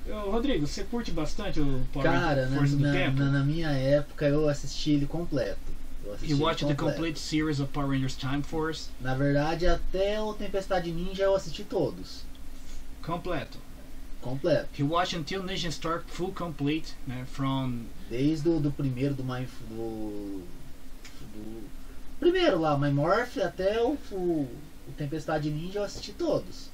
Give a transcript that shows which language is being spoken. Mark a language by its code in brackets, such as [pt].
[pt] Rodrigo, você curte bastante o Power Rangers do tempo? Cara, na minha época eu assisti ele completo. [en] He watched the complete series of Power Rangers Time Force. [pt] Na verdade, até o Tempestade Ninja eu assisti todos. Completo. Completo. [en] He watched until Ninja Star full complete, né, from [pt] desde o primeiro do My do primeiro lá, My Morph até o Tempestade Ninja, eu assisti todos.